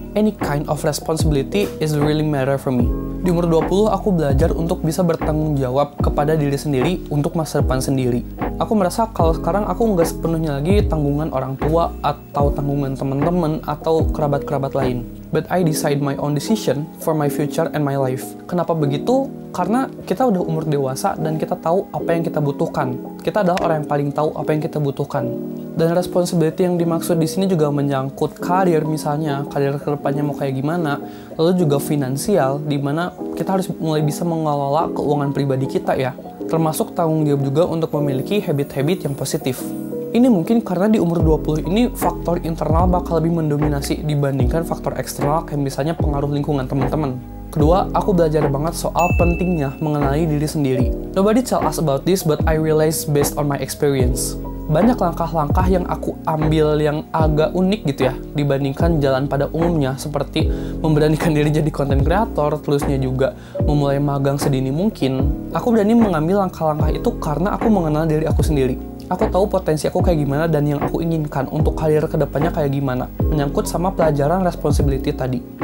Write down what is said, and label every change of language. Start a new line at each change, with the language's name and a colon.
English: Any kind of responsibility is really matter for me.
Indonesian: Di umur 20, aku belajar untuk bisa bertanggung jawab kepada diri sendiri untuk masa depan sendiri. Aku merasa kalau sekarang aku nggak sepenuhnya lagi tanggungan orang tua atau tanggungan teman-teman atau kerabat-kerabat lain.
English: But I decide my own decision for my future and my life.
Indonesian: Kenapa begitu? Karena kita udah umur dewasa dan kita tahu apa yang kita butuhkan. Kita adalah orang yang paling tahu apa yang kita butuhkan. Dan responsibility yang dimaksud di sini juga menyangkut karir, misalnya karir kedepannya mau kayak gimana, lalu juga finansial, di mana kita harus mulai bisa mengelola keuangan pribadi kita ya, termasuk tanggung jawab juga untuk memiliki habit-habit yang positif. Ini mungkin karena di umur 20 ini faktor internal bakal lebih mendominasi dibandingkan faktor eksternal kayak misalnya pengaruh lingkungan teman-teman. Kedua, aku belajar banget soal pentingnya mengenali diri sendiri.
English: Nobody tell us about this, but I realize based on my experience.
Indonesian: Banyak langkah-langkah yang aku ambil yang agak unik gitu ya, dibandingkan jalan pada umumnya, seperti memberanikan diri jadi content creator, terusnya juga memulai magang sedini mungkin. Aku berani mengambil langkah-langkah itu karena aku mengenal diri aku sendiri. Aku tahu potensi aku kayak gimana dan yang aku inginkan untuk karir kedepannya kayak gimana, menyangkut sama pelajaran responsibility tadi.